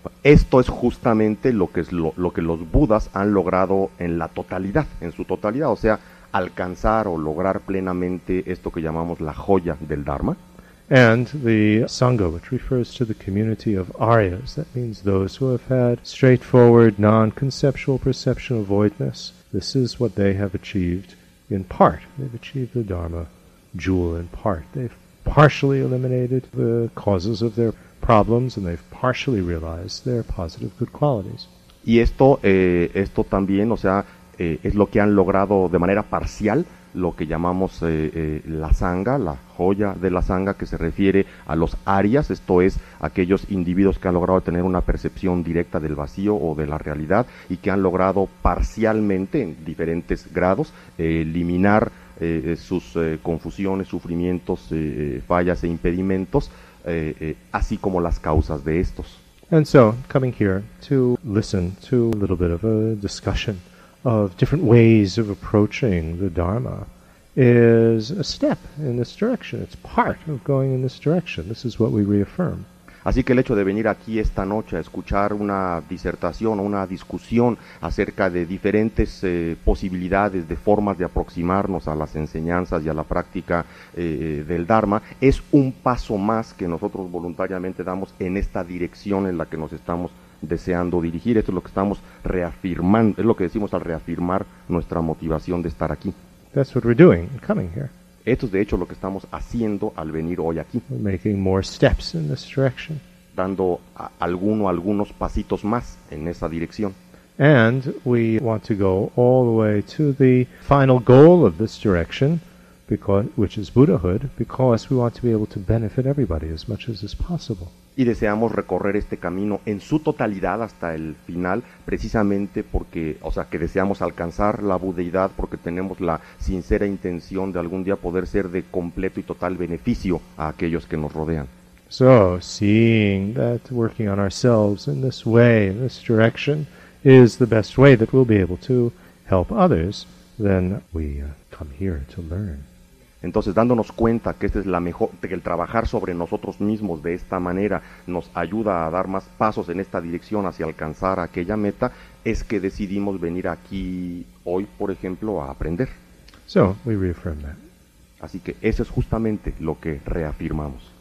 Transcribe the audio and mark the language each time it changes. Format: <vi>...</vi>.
<es>Esto es justamente lo que los Budas han logrado en su totalidad, o sea, alcanzar o lograr plenamente esto que llamamos la joya del Dharma.</es> <en>And the Sangha, which refers to the community of Aryas, that means those who have had straightforward, non-conceptual perception of voidness, this is what they have achieved in part. They've achieved the Dharma jewel in part. They've partially eliminated the causes of their problems and they've partially realized their positive good qualities.</en> <es>Y esto esto también, o sea, es lo que han logrado de manera parcial, lo que llamamos la sangha, la joya de la sangha, que se refiere a los aryas, esto es aquellos individuos que han logrado tener una percepción directa del vacío o de la realidad y que han logrado parcialmente en diferentes grados eliminar sus confusiones, sufrimientos, fallas e impedimentos, así como las causas de estos.</es> <en>And so, coming here to listen to a little bit of a discussion of different ways of approaching the Dharma is a step in this direction. It's part of going in this direction. This is what we reaffirm.</en> <es>Así que el hecho de venir aquí esta noche a escuchar una disertación o una discusión acerca de diferentes posibilidades de formas de aproximarnos a las enseñanzas y a la práctica del Dharma es un paso más que nosotros voluntariamente damos en esta dirección en la que nos estamos deseando dirigir. Esto es lo que estamos reafirmando, es lo que decimos al reafirmar nuestra motivación de estar aquí.</es> <en>That's what we're doing, coming here.</en> <es>Esto es de hecho lo que estamos haciendo al venir hoy aquí.</es> <en>We're making more steps in this direction.</en> <es>Dando algunos pasitos más en esa dirección.</es> <en>And we want to go all the way to the final goal of this direction, which is Buddhahood, because we want to be able to benefit everybody as much as is possible.</en> <es>Y deseamos recorrer este camino en su totalidad hasta el final, precisamente porque, o sea, que deseamos alcanzar la budeidad porque tenemos la sincera intención de algún día poder ser de completo y total beneficio a aquellos que nos rodean.</es> <en>So, seeing that working on ourselves in this way, in this direction, is the best way that we'll be able to help others, then we come here to learn.</en> <es>Entonces, dándonos cuenta que esta es la mejor, que el trabajar sobre nosotros mismos de esta manera nos ayuda a dar más pasos en esta dirección hacia alcanzar aquella meta, es que decidimos venir aquí hoy, por ejemplo, a aprender.</es> <en>So, we reaffirm that.</en> <es>Así que eso es justamente lo que reafirmamos.</es>